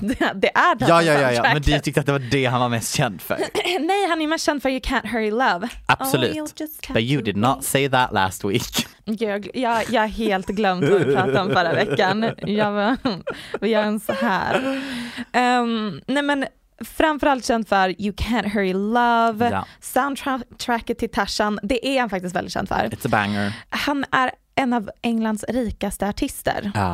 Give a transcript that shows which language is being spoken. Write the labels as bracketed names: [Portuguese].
[Swedish] Det är Tarzan-soundtracket. Ja, men du tyckte att det var det han var mest känd för. Nej, han är mest känd för You Can't Hurry Love. Absolut. [English] Oh, but you did not say that last week. [Swedish] Jag helt glömt vad vi pratade om förra veckan. Vi gör en så här. Nej, men... framförallt känd för You Can't Hurry Love, ja. Soundtracket till Tarzan, det är han faktiskt väldigt känd för. [English] It's a banger. [Swedish] Han är en av Englands rikaste artister.